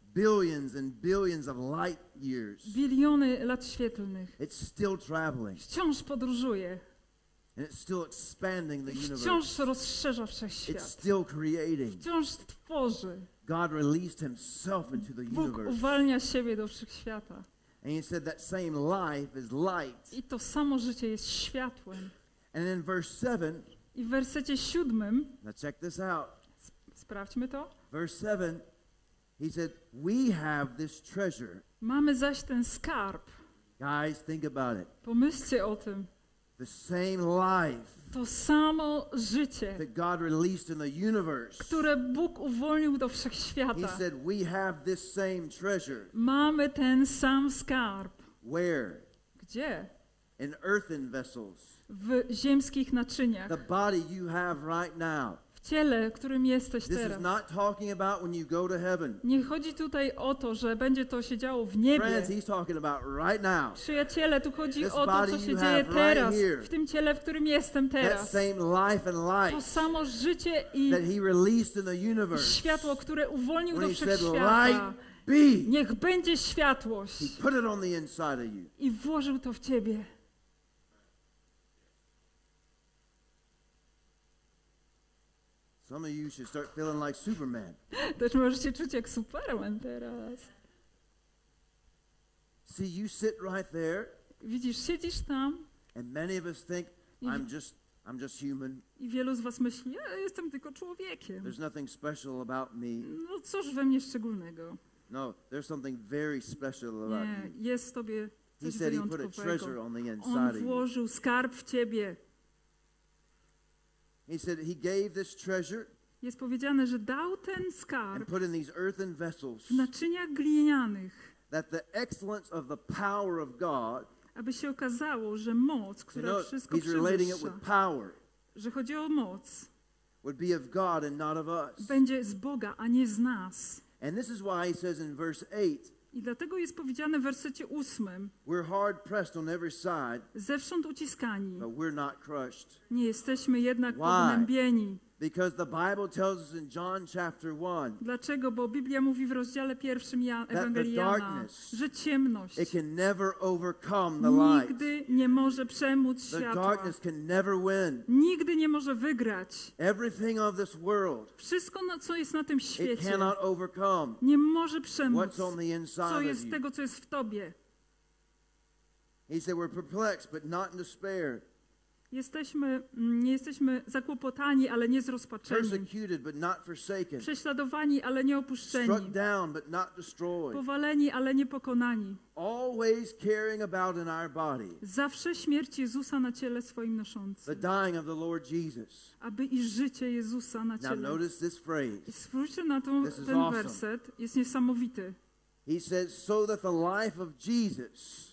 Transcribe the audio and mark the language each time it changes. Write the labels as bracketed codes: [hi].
[en] Billions and billions of light years. [pl] Biliony lat świetlnych. [en] It's still traveling. [pl] Wciąż podróżuje. [en] And it's still expanding the universe. [pl] Wciąż rozszerza wszechświat. [en] It's still creating. [pl] Wciąż tworzy. [en] God released himself into the [pl] Bóg [en] universe. [pl] Uwalnia siebie do wszechświata. [en] And he said that same life is light. [pl] I to samo życie jest światłem. [en] And in verse 7. [pl] I w wersecie 7. [en] Now check this out. [pl] Sprawdźmy to. [en] Verse 7. He said, "We have this treasure." [pl] Mamy zaś ten skarb. [en] Guys, think about it. [pl] Pomyślcie o tym. [en] The same life. [pl] To samo życie. [en] That God released in the universe. [pl] Które Bóg uwolnił do wszechświata. [en] He said, "We have this same treasure." [pl] Mamy ten sam skarb. [en] Where? [pl] Gdzie? [en] In earthen vessels. [pl] W ziemskich naczyniach. [en] The body you have right now. [pl] W ciele, którym jesteś teraz. Nie chodzi tutaj o to, że będzie to się działo w niebie. [en] Friends, he's talking about right now. [pl] Przyjaciele, tu chodzi o to, co się dzieje teraz, [en] right here, [pl] w tym ciele, w którym jestem teraz. [en] That same life and light, [pl] to samo życie i [en] that he released in the universe, [pl] światło, które uwolnił [en] when [pl] do wszechświata. [en] He said, light be. [pl] Niech będzie światłość. [en] He put it on the inside of you. [pl] I włożył to w ciebie. [en] Some of you should start feeling like Superman. [pl] Też możecie czuć jak Superman teraz. [en] See, you sit right there. [pl] Widzisz, siedzisz tam. [en] And many of us think, I'm just human. [pl] I wielu z was myśli, ja jestem tylko człowiekiem. [en] There's nothing special about me. [pl] No cóż we mnie szczególnego? [en] No, there's something very special about you. [pl] Jest w tobie coś [en] he said he put a treasure on the inside of you. [pl] On włożył skarb w ciebie. [en] He said he gave this treasure. [pl] Jest powiedziane, że dał ten skarb. [en] And put in these earthen vessels. [pl] W naczyniach glinianych. [en] That the excellence of the power of God. [pl] Aby się okazało, że moc, która [en] you know, [pl] wszystko przewyższa. [en] He's relating it with power. [pl] Że chodzi o moc. [en] Would be of God and not of us. [pl] Będzie z Boga, a nie z nas. [en] And this is why he says in verse 8. [pl] I dlatego jest powiedziane w wersecie 8. [en] We're hard pressed on every side. [pl] Zewsząd uciskani. [en] But we're not crushed. [pl] Nie jesteśmy jednak pognębieni. [en] Because the Bible tells us in John chapter 1. [pl] Dlaczego? Bo Biblia mówi w rozdziale pierwszym Ewangelii Jana, że ciemność. [en] It can never overcome the light. [pl] Nigdy nie może przemóc światła. [en] The darkness can never win. [pl] Nigdy nie może wygrać. [en] Everything of this world. [pl] Wszystko na co jest na tym świecie. [en] It cannot overcome. [pl] Nie może przemóc. [en] What's on the inside [pl] co jest tego co jest w tobie? [en] He said we're perplexed but not in despair. [pl] Nie jesteśmy zakłopotani, ale nie zrozpaczeni. Prześladowani, ale nie opuszczeni. [en] Struck down, but not destroyed. [pl] Powaleni, ale nie pokonani. [en] Always caring about in our body. [pl] Zawsze śmierć Jezusa na ciele swoim noszący. [en] The dying of the Lord Jesus. [pl] Aby i życie Jezusa na ciele. [en] Now notice this phrase. [pl] Spójrzcie na to, [en] this [pl] ten [en] awesome. [pl] Werset. Jest niesamowity. [en] He says, so that the life of Jesus